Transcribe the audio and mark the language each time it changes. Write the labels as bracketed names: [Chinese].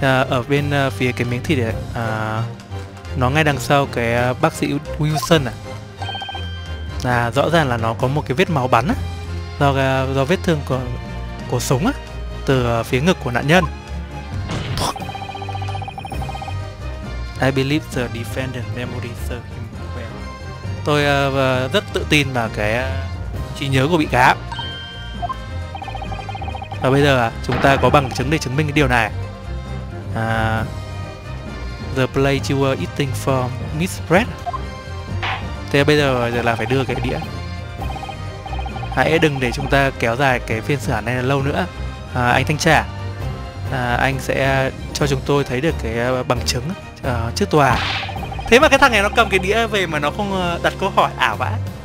[Vietnamese] Ở bên phía cái miếng thịt ấy, nó ngay đằng sau cái bác sĩ Wilson rõ ràng là nó có một cái vết máu bắn do vết thương của súng từ phía ngực của nạn nhân. [English] I believe the defendant memory serves him well. [Vietnamese] Tôi rất tự tin vào cái trí nhớ của bị cáo. Và bây giờ chúng ta có bằng chứng để chứng minh cái điều này. [English] The plate you were eating from, Miss Brett. [Vietnamese] Thế bây giờ là phải đưa cái đĩa. Hãy đừng để chúng ta kéo dài cái phiên xử án này lâu nữa. Anh thanh tra, anh sẽ cho chúng tôi thấy được cái bằng chứng trước tòa. Thế mà cái thằng này nó cầm cái đĩa về mà nó không đặt câu hỏi ảo vã.